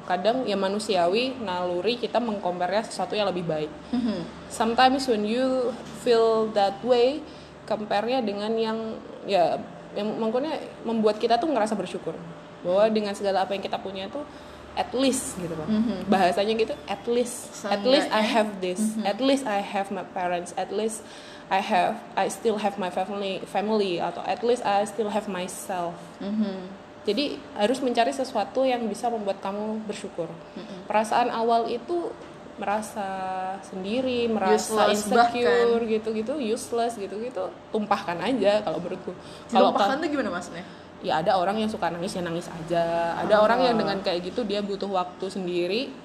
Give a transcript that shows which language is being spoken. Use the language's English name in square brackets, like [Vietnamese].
[Indonesian] Kadang ya manusiawi naluri kita mengcompare-nya sesuatu yang lebih baik. [English] Sometimes when you feel that way, [Indonesian] compare-nya dengan yang ya yang mungkinnya membuat kita tuh ngerasa bersyukur bahwa dengan segala apa yang kita punya tuh at least gitu kan. Bahasanya gitu [English] at least sangat at least ya. I have this at least I have my parents at least I still have my family atau at least I still have myself. [Indonesian] Jadi harus mencari sesuatu yang bisa membuat kamu bersyukur. Perasaan awal itu merasa sendiri, merasa useless, insecure bahkan. Gitu-gitu, useless gitu-gitu, tumpahkan aja kalau menurutku. Tumpahkan tuh gimana maksudnya? Ya ada orang yang suka nangis ya nangis aja. Ada orang yang dengan kayak gitu dia butuh waktu sendiri.